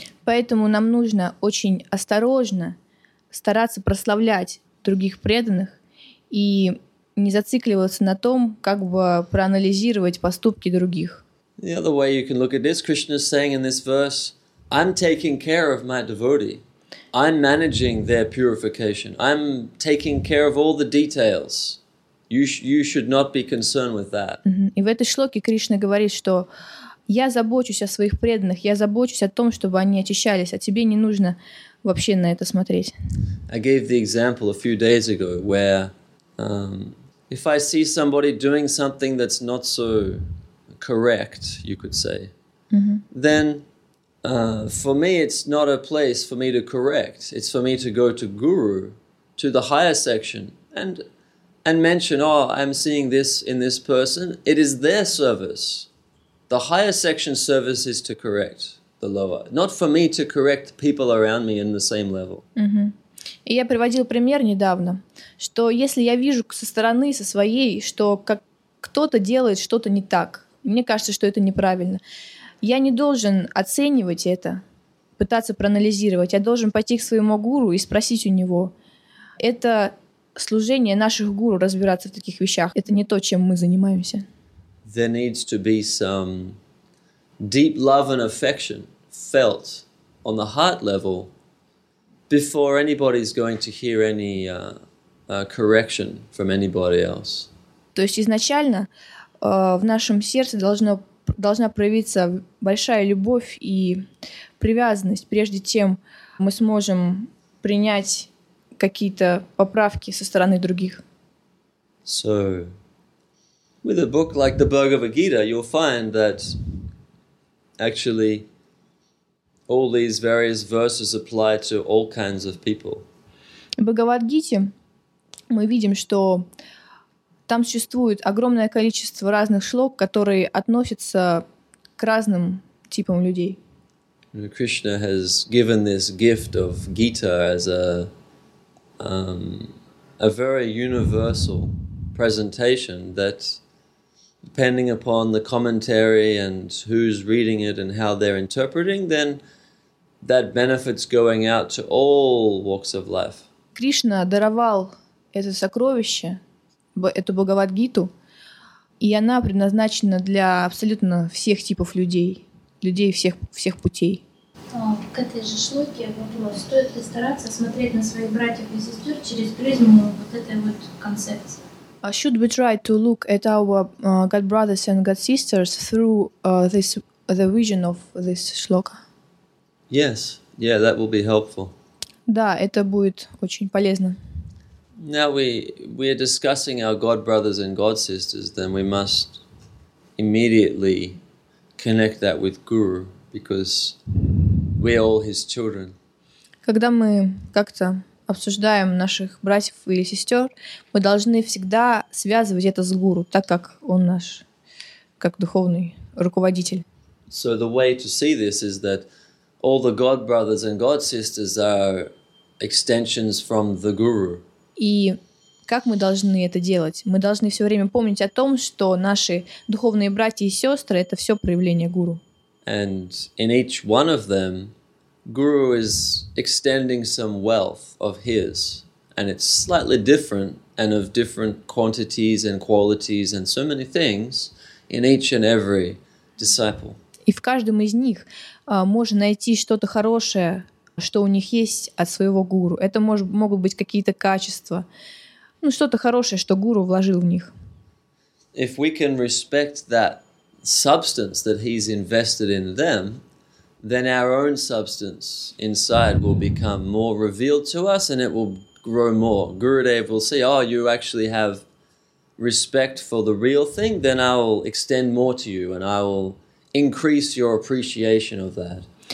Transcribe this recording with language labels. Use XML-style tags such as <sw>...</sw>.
<ru>Поэтому нам нужно очень осторожно стараться прославлять других преданных и не зацикливаться на том, как бы проанализировать поступки других.</ru> <en>The other way you can look at this, Krishna is saying in this verse, I'm taking care of my devotee. I'm managing their purification. I'm taking care of all the details. You should not be concerned with that.</en> <ru>И в этой шлоке Кришна говорит, что я забочусь о своих преданных, я забочусь о том, чтобы они очищались, а тебе не нужно вообще на это смотреть.</ru> <en>I gave the example a few days ago where if I see somebody doing something that's not so correct, you could say, then for me it's not a place for me to correct. It's for me to go to Guru, to the higher section, and mention, oh, I'm seeing this in this person. It is their service. The higher section service is to correct the lower. Not for me to correct people around me in the same level.</en> <ru>И я приводил пример недавно, что если я вижу со стороны, со своей, что как кто-то делает что-то не так, мне кажется, что это неправильно, я не должен оценивать это, пытаться проанализировать. Я должен пойти к своему гуру и спросить у него. Это служение наших гуру разбираться в таких вещах. Это не то, чем мы занимаемся.</ru> <en>There needs to be some deep love and affection felt on the heart level before anybody's going to hear any correction from anybody else.</en> <ru>То есть изначально в нашем сердце должна проявиться большая любовь и привязанность, прежде чем мы сможем принять какие-то поправки со стороны других.</ru> <en>So, with a book like the Bhagavad Gita, you'll find that actually all these various verses apply to all kinds of people.</en> <ru>В Бхагавад-гите мы видим, что там существует огромное количество разных шлок, которые относятся к разным типам людей.</ru> <en>Krishna has given this gift of Gita as a very universal presentation that, depending upon the commentary and who's reading it and how they're interpreting, then that benefits going out to all walks of life.</en> <ru>Кришна даровал это сокровище, эту Бхагавад-гиту, и она предназначена для абсолютно всех типов людей, людей всех путей. К этой же шлоке вопрос. Стоит ли стараться смотреть на своих братьев и сестер через призму вот этой вот концепции?</ru> <en>Should we try to look at our God brothers and God sisters through the vision of this shloka? Yes. Yeah, that will be helpful.</en> <ru>Да, это будет очень полезно.</ru> <en>Now we are discussing our God brothers and God sisters, then we must immediately connect that with Guru, because we are all his children.</en> <ru>Когда мы как-то обсуждаем наших братьев или сестер, мы должны всегда связывать это с гуру, так как он наш, как духовный руководитель.</ru> <en>So the way to see this is that all the God brothers and God sisters are extensions from the guru.</en> <ru>И как мы должны это делать? Мы должны все время помнить о том, что наши духовные братья и сестры — это все проявление гуру.</ru> <en>And in each one of them, Guru is extending some wealth of his, and it's slightly different and of different quantities and qualities and so many things in each and every disciple.</en> <ru>И в каждом из них можно найти что-то хорошее, что у них есть от своего гуру. Это могут быть какие-то качества, ну что-то хорошее, что гуру вложил в них.</ru> <en>If we can respect that substance that he's invested in them, then our own substance inside will become more revealed to us and it will grow more. Gurudev will see, oh, you actually have respect for the real thing, then I will extend more to you and I will increase your appreciation of that.</en>